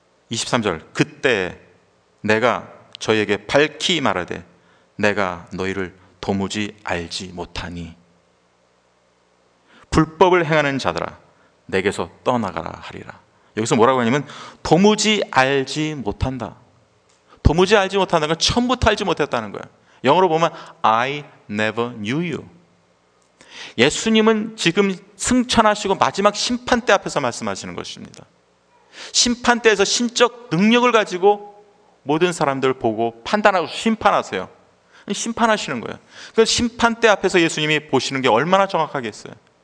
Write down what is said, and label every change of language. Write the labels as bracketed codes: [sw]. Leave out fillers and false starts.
[ko] 23절, 그때 내가 저에게 밝히 말하되 내가 너희를 도무지 알지 못하니 불법을 행하는 자들아 내게서 떠나가라 하리라. 여기서 뭐라고 하냐면 도무지 알지 못한다는 건 처음부터 알지 못했다는 거야. 영어로 보면 [en] I never knew you. [ko] 예수님은 지금 승천하시고 마지막 심판대 앞에서 말씀하시는 것입니다. 심판대에서 신적 능력을 가지고 모든 사람들 보고 판단하고 심판하세요. 심판하시는 거예요. 그 심판대 앞에서 예수님이 보시는 게 얼마나 정확하겠어요.